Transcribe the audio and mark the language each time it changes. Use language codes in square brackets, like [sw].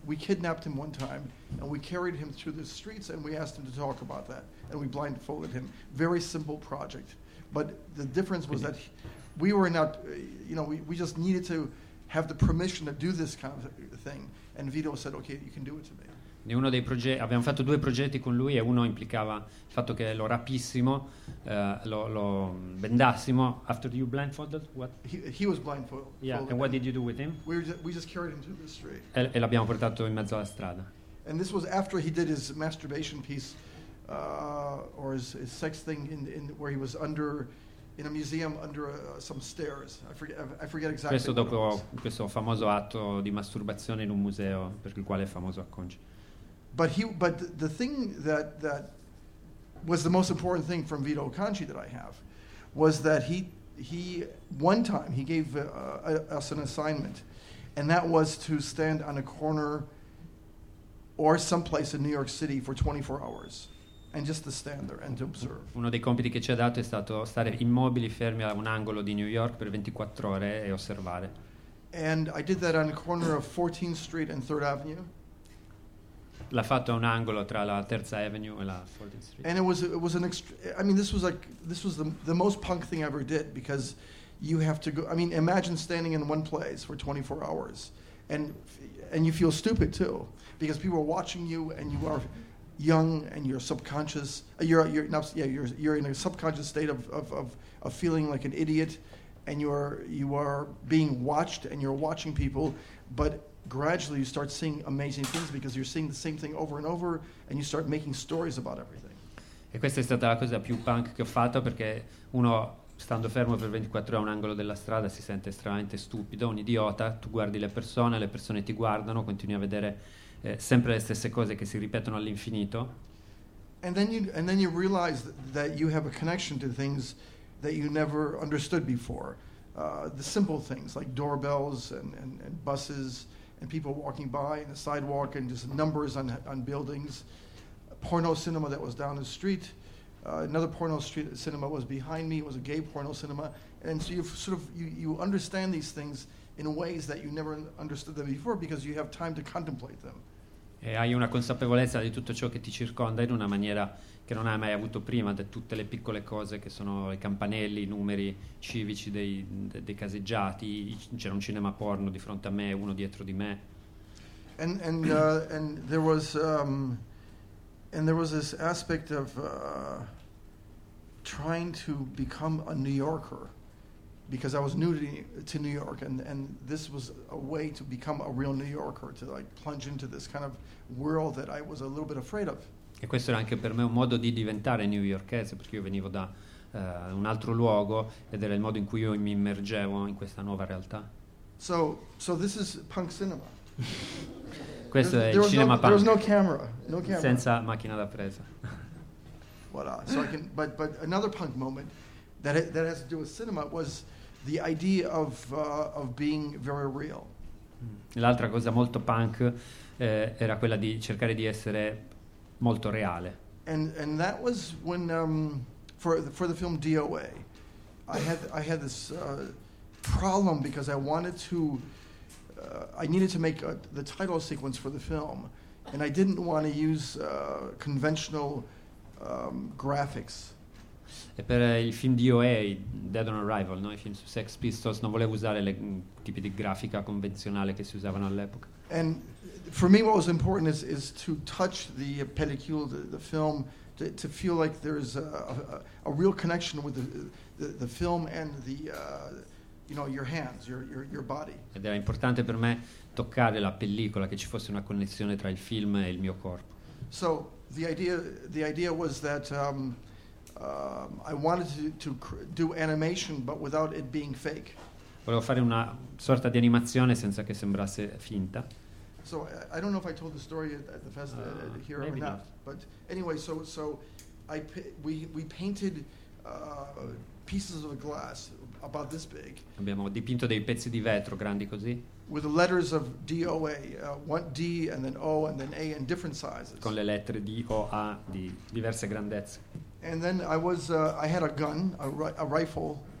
[en] We kidnapped him one time, and we carried him through the streets, and we asked him to talk about that, and we blindfolded him. Very simple project, but the difference was that we were not, we just needed to have the permission to do this kind of thing. And Vito said, "Okay, you can do it to me." [it] In uno dei progetti abbiamo fatto due progetti con lui, e uno implicava il fatto che lo rapissimo, lo bendassimo. [en] After you blindfolded, what? He was blindfolded. Yeah. And what did you do with him? We just carried him to the street. [it] E l'abbiamo portato in mezzo alla strada. [en] And this was after he did his masturbation piece, or his sex thing, in where he was under. In a museum under some stairs. I forget exactly. [it] Questo dopo questo famoso atto di masturbazione in un museo per il quale è famoso a Conci. [en] But the thing that was the most important thing from Vito Conci that I have was that he one time he gave us an assignment, and that was to stand on a corner or someplace in New York City for 24 hours. And just to stand there and to observe. [it] Uno dei compiti che ci ha dato è stato stare immobili, fermi a un angolo di New York per 24 ore e osservare. [en] And I did that on the corner of 14th Street and 3rd Avenue. [it] L'ha fatto a un angolo tra la Terza Avenue e la 14th Street. [en] And it was an extreme. I mean, this was the most punk thing I ever did, because you have to go. I mean, imagine standing in one place for 24 hours, and you feel stupid too, because people are watching you and you are. Young and you're subconscious. You're in a subconscious state of feeling like an idiot, and you are being watched and you're watching people. But gradually you start seeing amazing things because you're seeing the same thing over and over, and you start making stories about everything. [it] E questa è stata la cosa più punk che ho fatto, perché uno stando fermo per 24 ore a un angolo della strada si sente estremamente stupido, un idiota. Tu guardi le persone ti guardano, continui a vedere. Sempre le stesse cose che si ripetono all'infinito. [en] And then you realize that you have a connection to things that you never understood before. The simple things like doorbells and buses and people walking by in the sidewalk and just numbers on buildings. Porno cinema that was down the street. Another porno street cinema was behind me. It was a gay porno cinema. And so you understand these things in ways that you never understood them before, because you have time to contemplate them. [it] E hai una consapevolezza di tutto ciò che ti circonda in una maniera che non hai mai avuto prima, di tutte le piccole cose che sono i campanelli, i numeri civici dei caseggiati. C'era un cinema porno di fronte a me, uno dietro di me. [en] And there was this aspect of trying to become a New Yorker. Because I was new to New York, and this was a way to become a real New Yorker, to like plunge into this kind of world that I was a little bit afraid of. [it] E questo era anche per me un modo di diventare newyorkese, perché io venivo da un altro luogo ed era il modo in cui io mi immergevo in questa nuova realtà. [en] So this is punk cinema. [it] Questo è il cinema punk. [en] There was no camera. [it] Senza macchina da presa. [en] Voilà. So I can, but another punk moment. That has to do with cinema was the idea of being very real. [it] L'altra cosa molto punk era quella di cercare di essere molto reale. [en] And that was when for the film DOA, I had this problem, because I wanted to I needed to make the title sequence for the film, and I didn't want to use conventional graphics. [it] E per il film di OA, Dead on Arrival, no? I film su Sex Pistols, non volevo usare le tipi di grafica convenzionale che si usavano all'epoca. [en] And for me what was important is to touch the pellicule, the film, to feel like there is a real connection with the film and the you know, your hands, your body. [it] Ed era importante per me toccare la pellicola, che ci fosse una connessione tra il film e il mio corpo. [en] So the idea was that I wanted to do animation but without it being fake. [it] Volevo fare una sorta di animazione senza che sembrasse finta. [en] So I don't know if I told the story at the festival here or not, but anyway, so we painted pieces of glass about this big. [it] Abbiamo dipinto dei pezzi di vetro grandi così. [en] With the letters of DOA, one D and then O and then A in different sizes. [it] Con le lettere D O A di diverse grandezze. [en] And then I had a gun, a rifle.